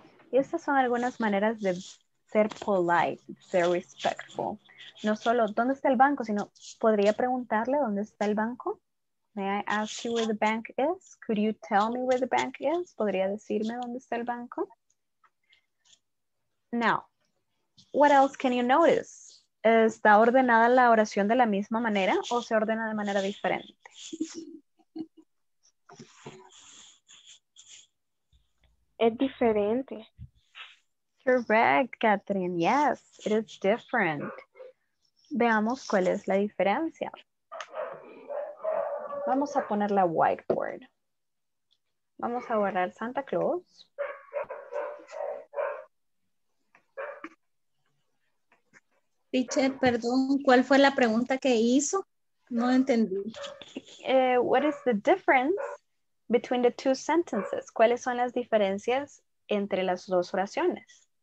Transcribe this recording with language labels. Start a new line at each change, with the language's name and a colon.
Spanish: Y estas son algunas maneras de ser polite, ser respectful. No solo, ¿dónde está el banco? Sino, ¿podría preguntarle dónde está el banco?
English: May I ask you where the bank is? Could you tell me where the bank is?
Spanish: ¿Podría decirme dónde está el banco?
English: Now, what else can you notice?
Spanish: ¿Está ordenada la oración de la misma manera o se ordena de manera diferente? Es diferente.
English: Correct, Catherine. Yes, it is different.
Spanish: Veamos cuál es la diferencia. Vamos a poner la whiteboard. Vamos a borrar Santa Claus. Teacher, perdón, ¿cuál fue la pregunta que hizo? No entendí.
English: What is the difference between the two sentences?
Spanish: ¿Cuáles son las diferencias entre las dos oraciones?